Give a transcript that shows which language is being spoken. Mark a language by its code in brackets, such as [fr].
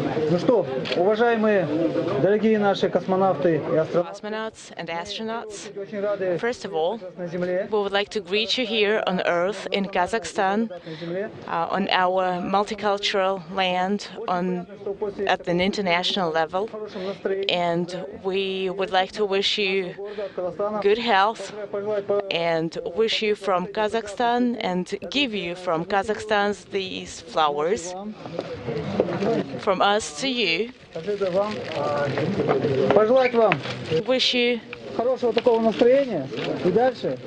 [ru] Ну что, уважаемые, дорогие наши космонавты и астронавты. [en] Cosmonauts and astronauts. First of all, we would like to greet you here on Earth in Kazakhstan, on our multicultural land, at an international level, and we would like to wish you good health and wish you from Kazakhstan and give you from Kazakhstan these flowers from us to you. [ru] Пожелать вам. [en] Wish you [ru] хорошего такого настроения и дальше.